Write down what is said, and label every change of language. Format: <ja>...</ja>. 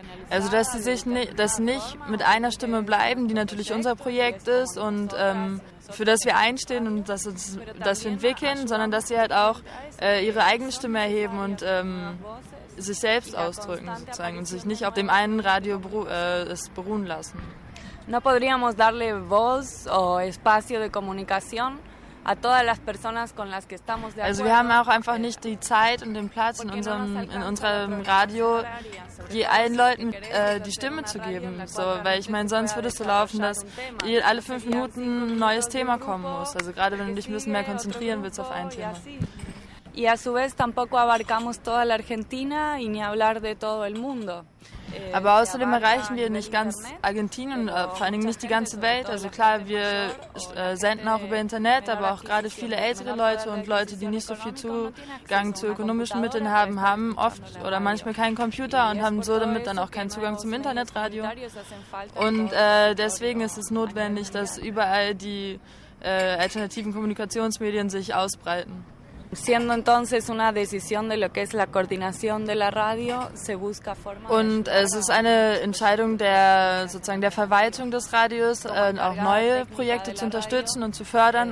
<de>Also, dass sie sich nicht mit einer Stimme bleiben, die natürlich unser Projekt ist und für das wir einstehen und das wir entwickeln, sondern dass sie halt auch ihre eigene Stimme erheben und sich selbst ausdrücken sozusagen und sich nicht auf dem einen Radio beruhen lassen.</de> <es>No podríamos darle voz o espacio de comunicación.</es> <de>Also wir haben auch einfach nicht die Zeit und den Platz in unserem Radio, die allen Leuten die Stimme zu geben. So, weil ich meine, sonst würde es so laufen, dass alle 5 Minuten ein neues Thema kommen muss. Also gerade wenn du dich ein bisschen mehr konzentrieren willst auf ein Thema.</de> <es>Y a su vez tampoco abarcamos toda la Argentina y ni hablar de todo el mundo.</es> <de>Aber außerdem erreichen wir nicht ganz Argentinien, vor allen Dingen nicht die ganze Welt. Also klar, wir senden auch über Internet, aber auch gerade viele ältere Leute und Leute, die nicht so viel Zugang zu ökonomischen Mitteln haben, haben oft oder manchmal keinen Computer und haben so damit dann auch keinen Zugang zum Internetradio. Und deswegen ist es notwendig, dass überall die alternativen Kommunikationsmedien sich ausbreiten.</de> <es>Siendo entonces una decisión de lo que es la coordinación de la radio, se busca forma.</es> <de>Und es ist eine Entscheidung der Verwaltung des Radios, auch neue Projekte zu unterstützen und zu fördern.</de>